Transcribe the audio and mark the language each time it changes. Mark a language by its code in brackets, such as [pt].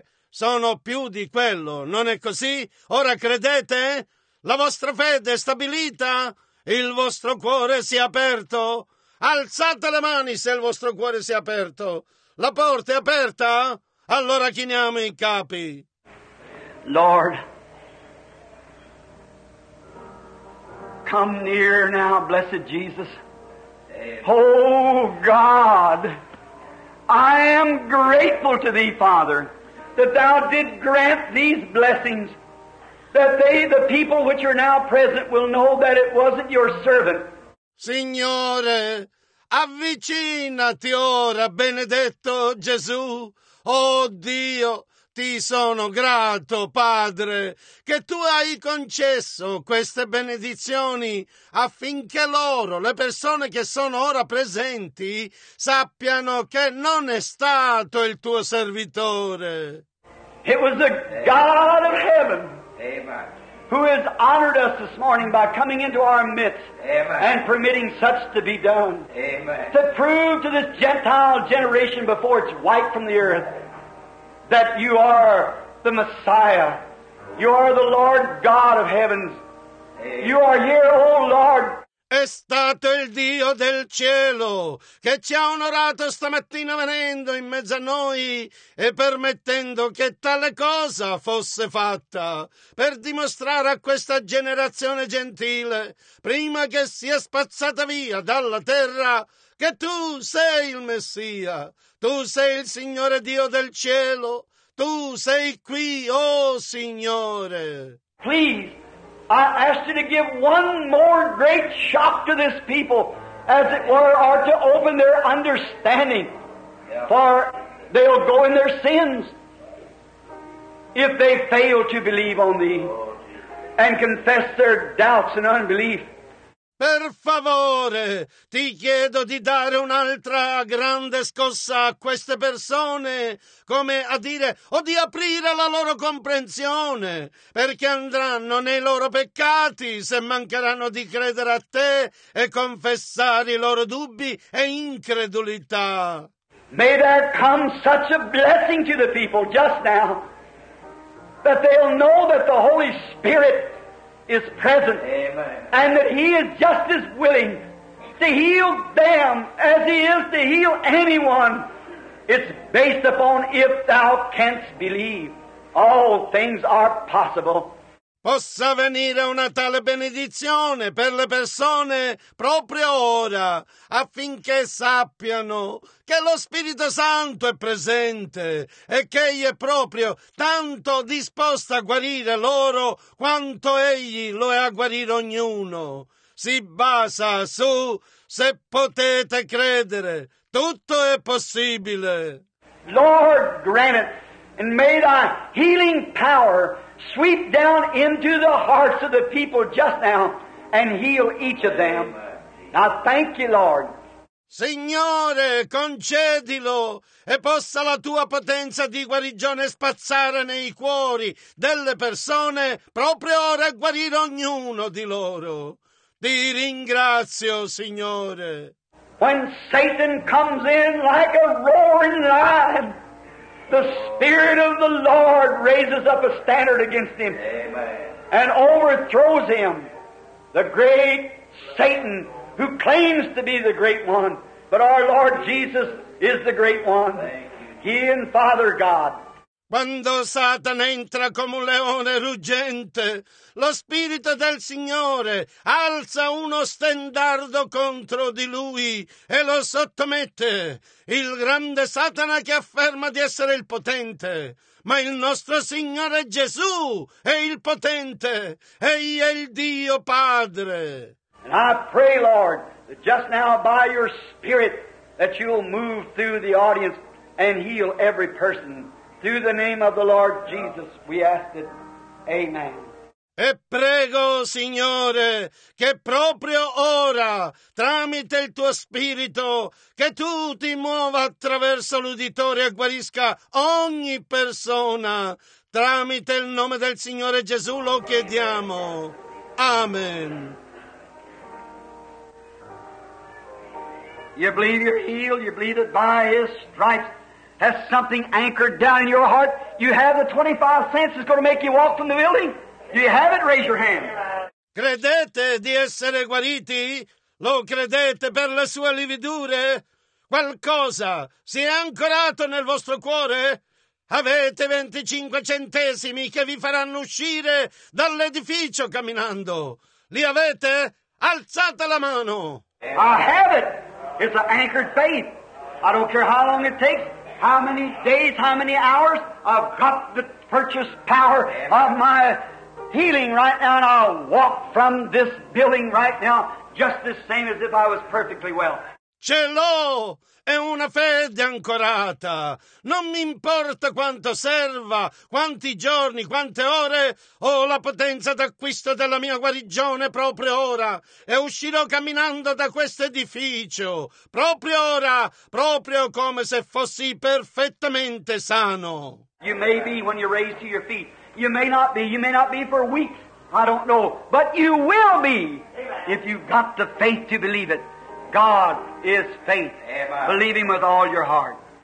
[it] Sono più di quello, non è così? Ora credete? La vostra fede è stabilita? Il vostro cuore si è aperto? Alzate le mani se il vostro cuore si è aperto. La porta è aperta? Allora chiniamo i capi. [en] Lord, come near now, blessed Jesus. Oh God, I am grateful to Thee, Father, that Thou did grant these blessings, that they, the people which are now present, will know that it wasn't Your servant. [it] Signore, avvicinati ora, benedetto Gesù. Oh Dio, Ti sono grato, Padre, che Tu hai concesso queste benedizioni affinché loro, le persone che sono ora presenti, sappiano che non è stato il Tuo servitore. [en] It was the God of heaven. Amen. Who has honored us this morning by coming into our midst. Amen. And permitting such to be done. Amen. To prove to this Gentile generation before it's wiped from the earth that You are the Messiah. You are the Lord God of heavens. Amen. You are here, O Lord. [it] È stato il Dio del cielo che ci ha onorato stamattina venendo in mezzo a noi e permettendo che tale cosa fosse fatta per dimostrare a questa generazione gentile, prima che sia spazzata via dalla terra, che Tu sei il Messia, Tu sei il Signore Dio del cielo, Tu sei qui, oh Signore. [en] Please. I ask You to give one more great shock to this people, as it were, or to open their understanding. Yeah. For they'll go in their sins if they fail to believe on Thee and confess their doubts and unbelief. [it] Per favore, Ti chiedo di dare un'altra grande scossa a queste persone, come a dire, o di aprire la loro comprensione, perché andranno nei loro peccati se mancheranno di credere a Te e confessare i loro dubbi e incredulità. [en] May there come such a blessing to the people just now that they'll know that the Holy Spirit is present. Amen. And that He is just as willing to heal them as He is to heal anyone. It's based upon if thou canst believe. All things are possible. [it] Possa venire una tale benedizione per le persone proprio ora, affinché sappiano che lo Spirito Santo è presente e che Egli è proprio tanto disposto a guarire loro quanto Egli lo è a guarire ognuno. Si basa su, se potete credere, tutto è possibile. [en] Lord, grant it. and may thy healing power sweep down into the hearts of the people just now and heal each of them. I thank you, Lord. [it] Signore, concedilo e possa la tua potenza di guarigione spazzare nei cuori delle persone proprio ora a guarire ognuno di loro. Ti ringrazio, Signore. [en] When Satan comes in like a roaring lion, the Spirit of the Lord raises up a standard against him. Amen. And overthrows him. The great Satan, who claims to be the great one, but our Lord Jesus is the great one. He and Father God. [it] Quando Satana entra come un leone ruggente, lo Spirito del Signore alza uno stendardo contro di lui e lo sottomette. Il grande Satana che afferma di essere il potente, ma il nostro Signore Gesù è il potente. Egli è il Dio Padre. [en] And I pray, Lord, that just now by your Spirit that you'll move through the audience and heal every person. Through the name of the Lord Jesus, we ask it. Amen. [it] E prego, Signore, che proprio ora, tramite il tuo Spirito, che tu ti muova attraverso l'uditorio e guarisca ogni persona. Tramite il nome del Signore Gesù lo chiediamo. Amen. [en] You believe you're healed, you believe that by his stripes has something anchored down in your heart. You have the 25 cents that's going to make you walk from the building. Do you have it? Raise your hand. [it] Credete di essere guariti? Lo credete per le sue lividure? Qualcosa si è ancorato nel vostro cuore? Avete 25 centesimi che vi faranno uscire dall'edificio camminando. Li avete? Alzate la mano. [en] I have it. It's an anchored faith. I don't care how long it takes, how many days, how many hours, I've got the purchase power of my healing right now, and I'll walk from this building right now just the same as if I was perfectly well. [it] Ce l'ho! È una fede ancorata. Non mi importa quanto serva, quanti giorni, quante ore, ho la potenza d'acquisto della mia guarigione proprio ora. E uscirò camminando da questo edificio, proprio ora, proprio come se fossi perfettamente sano. [en] You may be when you raise to your feet. You may not be for weeks, I don't know. But you will be if you've got the faith to believe it. God is faith. Amen. Believe him with all your heart.